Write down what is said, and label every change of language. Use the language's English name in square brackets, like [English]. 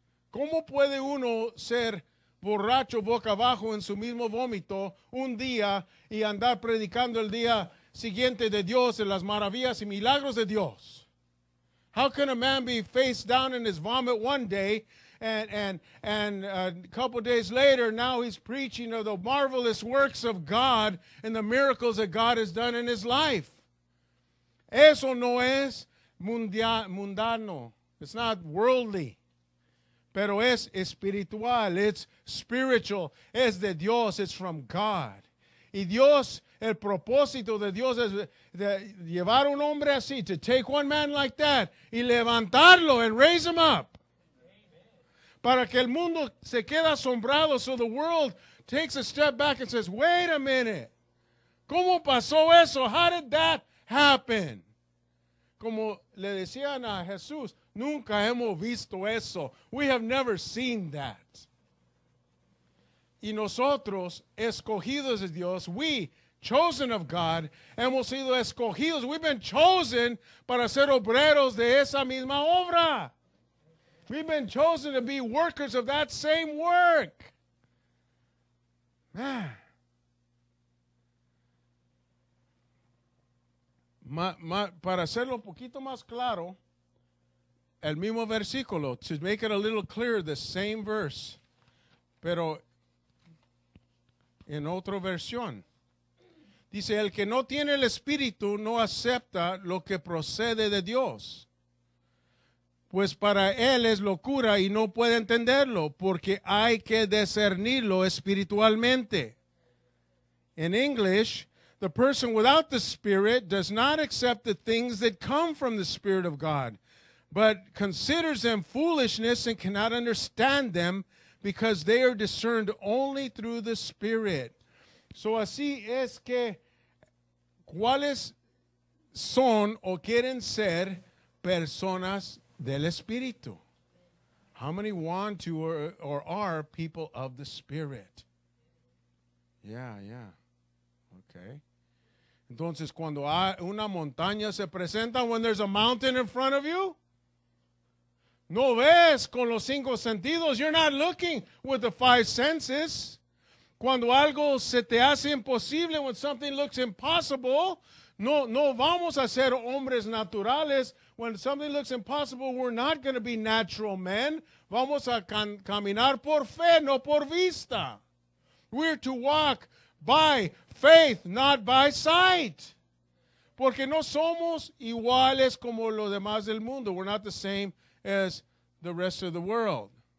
[Spanish] ¿Cómo puede uno ser borracho boca abajo en su mismo vómito un día y andar predicando el día siguiente de Dios, de las maravillas y milagros de Dios? [English] How can a man be face down in his vomit one day and a couple days later now he's preaching of the marvelous works of God and the miracles that God has done in his life? [Spanish] Eso no es mundano. [English] It's not worldly. [Spanish] Pero es espiritual. [English] It's spiritual. [Spanish] Es de Dios. [English] It's from God. [Spanish] Y Dios, el propósito de Dios es de llevar un hombre así, [English] to take one man like that [Spanish] y levantarlo [English] and raise him up. [Spanish] Amen. Para que el mundo se quede asombrado, [English] so the world takes a step back and says, wait a minute. [Spanish] ¿Cómo pasó eso? [English] How did that happen? [Spanish] Como le decían a Jesús, nunca hemos visto eso. [English] We have never seen that. [Spanish] Y nosotros, escogidos de Dios, [English] we, chosen of God, [Spanish] hemos sido escogidos. [English] We've been chosen [Spanish] para ser obreros de esa misma obra. [English] We've been chosen to be workers of that same work. Man. [Spanish] Para hacerlo un poquito más claro, el mismo versículo, [English] to make it a little clearer, the same verse, [Spanish] pero en otra versión. Dice, el que no tiene el Espíritu no acepta lo que procede de Dios, pues para él es locura y no puede entenderlo, porque hay que discernirlo espiritualmente. [English] In English, the person without the Spirit does not accept the things that come from the Spirit of God, but considers them foolishness and cannot understand them because they are discerned only through the Spirit. [Spanish] So así es que, ¿cuáles son o quieren ser personas del Espíritu? [English] How many want to or are people of the Spirit? Yeah. Okay. [Spanish] Entonces, cuando una montaña se presenta, [English] when there's a mountain in front of you, [Spanish] no ves con los cinco sentidos. [English] You're not looking with the five senses. [Spanish] Cuando algo se te hace imposible, [English] when something looks impossible, [Spanish] no vamos a ser hombres naturales. [English] When something looks impossible, we're not going to be natural men. [Spanish] Vamos a caminar por fe, no por vista. [English] We're to walk by faith, not by sight. [Spanish] Porque no somos iguales como los demás del mundo. [English] We're not the same as the rest of the world.